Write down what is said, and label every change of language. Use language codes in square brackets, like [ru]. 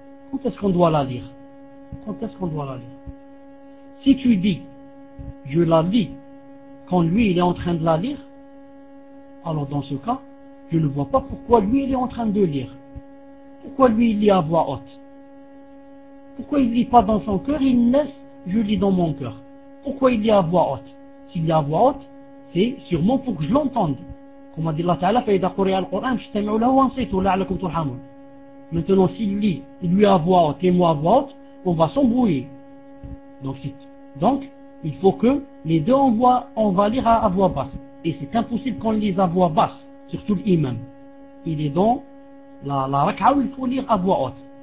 [fr] Quand est-ce qu'on doit la lire? Quand est-ce qu'on doit la lire? Si tu dis, je la lis quand lui il est en train de la lire, alors dans ce cas, je ne vois pas pourquoi lui il est en train de lire. Pourquoi lui il lit à voix haute? Pourquoi il ne lit pas dans son cœur, il laisse, je lis dans mon cœur. Pourquoi il lit à voix haute? S'il lit à voix haute, c'est sûrement pour que je l'entende. Comme a dit Allah Ta'ala, [ar] فَإِذَا قُرِيَ الْقُرْآنَ فَاسْتَمِعُوا لَهُ وَأَنْصِتُوا لَعَلَّكُمْ تُرْحَمُونَ. [fr] Maintenant, s'il lit, lui à voix haute et moi à voix haute, on va s'embrouiller. Donc, il faut que les deux envoient, on va lire à voix basse. Et c'est impossible qu'on lise à voix basse, surtout l'imam. Il est dans la rak'a où il faut lire à voix haute.